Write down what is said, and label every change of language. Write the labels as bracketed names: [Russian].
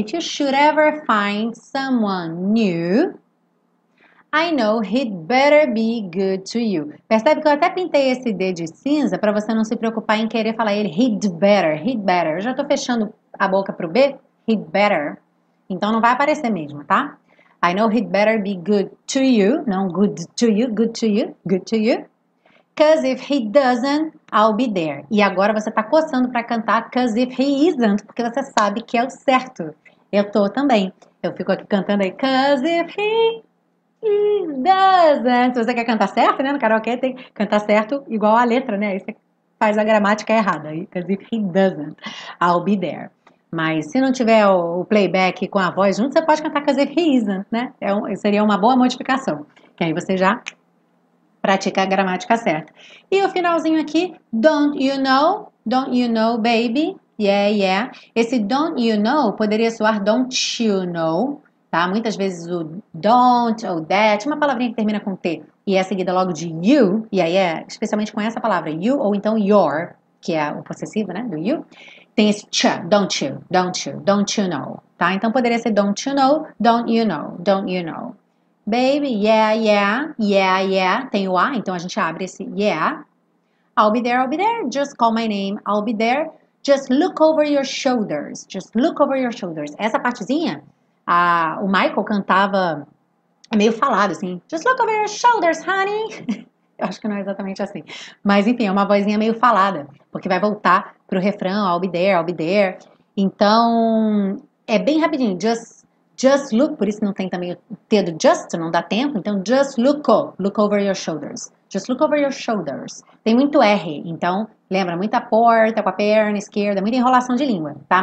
[English] If you should ever find someone new, I know he'd better be good to you. [Portuguese] Percebe que eu até pintei esse D de cinza pra você não se preocupar em querer falar ele. [English] He'd better. [Portuguese] Eu já tô fechando a boca pro B. He'd better. Então não vai aparecer mesmo, tá? [English] I know he'd better be good to you. Não, good to you. Good to you. Good to you. Because if he doesn't, I'll be there. [Portuguese] E agora você tá coçando para cantar [English] because if he isn't, [Portuguese] porque você sabe que é o certo. Eu tô também. Eu fico aqui cantando aí. [English] Because if he doesn't. [Portuguese] Se você quer cantar certo, né? No karaokê tem que cantar certo igual a letra, né? Aí você faz a gramática errada. [English] Because if he doesn't, I'll be there. [Portuguese] Mas se não tiver o playback com a voz junto, você pode cantar [English] because if he isn't, [Portuguese] né? Seria uma boa modificação. Que aí você já pratica a gramática certa. E o finalzinho aqui, [English] don't you know? Don't you know, baby? Yeah. [Portuguese] Esse [English] don't you know [Portuguese] poderia soar don't you know, tá? Muitas vezes o don't ou that, uma palavrinha que termina com T e é seguida logo de you, especialmente com essa palavra, you, ou então your, que é o possessivo, né? [English] Do you, [Portuguese] tem esse ch, [English] don't you know, tá? [Portuguese] Então poderia ser [English] don't you know, don't you know, don't you know. Baby, yeah. [Portuguese] Tem o A, então a gente abre esse yeah. [English] I'll be there, just call my name, I'll be there. Just look over your shoulders. Just look over your shoulders. [Portuguese] Essa partezinha, o Michael cantava meio falado assim. [English] Just look over your shoulders, honey. [Portuguese] Eu acho que não é exatamente assim. Mas enfim, é uma vozinha meio falada, porque vai voltar pro refrão, [English] I'll be there. [Portuguese] Então, é bem rapidinho. [English] Just look, [Portuguese] por isso não tem também o T do just, não dá tempo. [English] Então, just look over your shoulders. Just look over your shoulders. [Portuguese] Tem muito R, então lembra, muita porta com a perna esquerda, muita enrolação de língua, tá?